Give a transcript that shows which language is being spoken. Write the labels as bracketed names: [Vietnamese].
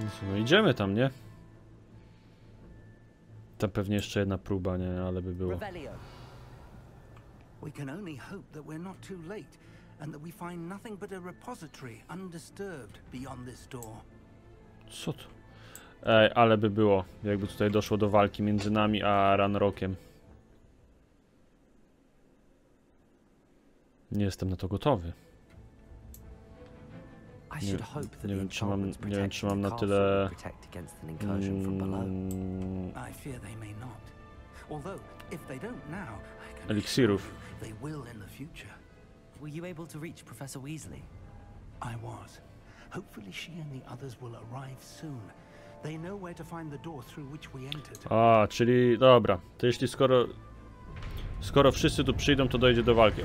[Polish] No idziemy tam, nie? Tam pewnie jeszcze jedna próba, nie, ale by było. [English] We can only hope that we're not too late and that we find nothing but a repository undisturbed beyond this door. [Polish] Co to? Ej, ale by było, jakby tutaj doszło do walki między nami a Ranrokiem. Nie jestem na to gotowy. Nie wiem, czy mam na tyle. [English] I fear they may not. Although if they don't now, I can eliksirów. They will in the future. Were you able to reach Professor Weasley? I was. Hopefully she and the others will arrive soon. They know where to find the door through which we entered. [Polish] A, czyli dobra. To jeśli skoro wszyscy tu przyjdą, to dojdzie do walki.